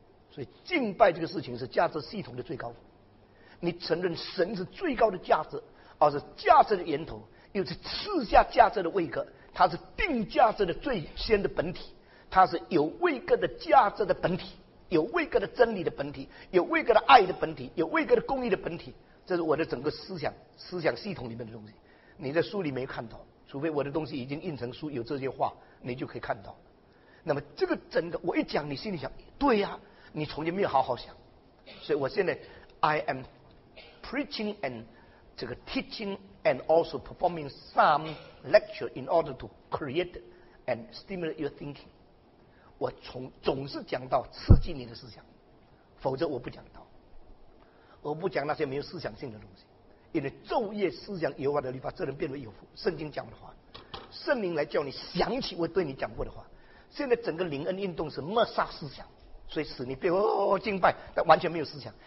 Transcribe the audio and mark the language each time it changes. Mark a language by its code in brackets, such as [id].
[zh] 所以敬拜这个事情是价值系统的最高。你承认神是最高的价值，而是价值的源头，又是赐下价值的位格，它是定价值的最先的本体，它是有位格的价值的本体，有位格的真理的本体，有位格的爱的本体，有位格的公义的本体。这是我的整个思想系统里面的东西，你在书里没看到，除非我的东西已经印成书有这些话，你就可以看到。那么这个整个我一讲你心里想，对呀，你从前没有好好想。所以我现在 [en] I am preaching and [zh] 这个 [en] teaching and also performing some lecture in order to create and stimulate your thinking. [zh] 我总是讲到刺激你的思想，否则我不讲到，我不讲那些没有思想性的东西。因为昼夜思想耶和华的律法，这人变为有福。圣经讲的话，圣灵来叫你想起我对你讲过的话。现在整个灵恩运动是抹杀思想，所以使你变敬拜，但完全没有思想。